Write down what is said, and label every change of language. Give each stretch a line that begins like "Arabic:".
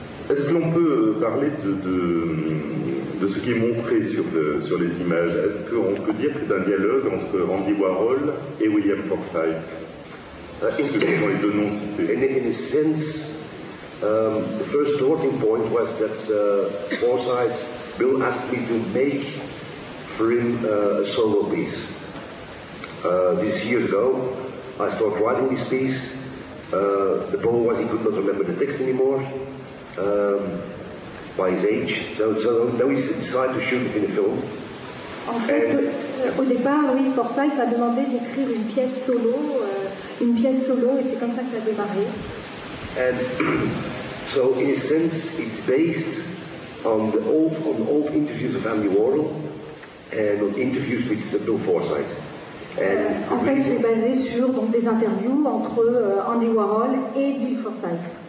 French: Est-ce que l'on peut parler de ce qui est montré sur les images? Est-ce qu'on peut dire que c'est un dialogue entre Andy Warhol et William Forsythe? Est-ce que ce sont les deux noms cités?
English: The first starting point was that Forsyth, Bill asked me to make for him a solo piece. This years ago, I started writing this piece. The problem was he could not remember the text anymore by his age. So now he decided to shoot it in a film.
French: Au départ, oui, Forsyth a demandé d'écrire une pièce solo, et c'est comme ça que ça a démarré.
English: And so, in a sense, it's based on the old interviews of Andy Warhol and on interviews with Bill Forsyth.
French: And en fait, c'est basé sur donc des interviews entre Andy Warhol et Bill Forsyth.